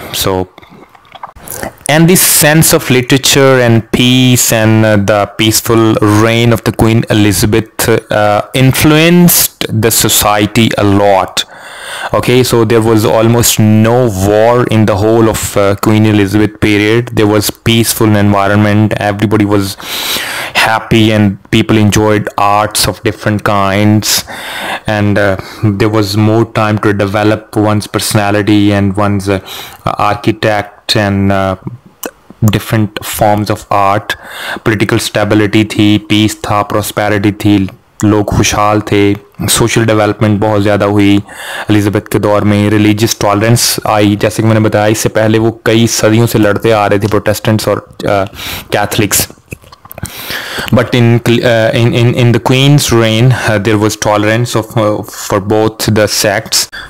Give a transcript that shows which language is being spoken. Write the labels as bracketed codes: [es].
[en] So and this sense of literature and peace and the peaceful reign of the Queen Elizabeth influenced the society a lot. Okay, so there was almost no war in the whole of Queen Elizabeth period. There was peaceful environment, everybody was happy and people enjoyed arts of different kinds, and there was more time to develop one's personality and one's architect and different forms of art. Political stability thi, peace tha, prosperity thi, [ur] لوگ خوشحال تھے, social development بہت زیادہ ہوئی elizabethae کے دور میں, religious tolerance آئی. جیسے کہ میں نے بتایا اس سے پہلے وہ کئی صدیوں سے لڑتے آ رہے تھے پروٹیسٹنٹس اور Catholics, [en] But in the Queen's reign there was tolerance of for both the sects.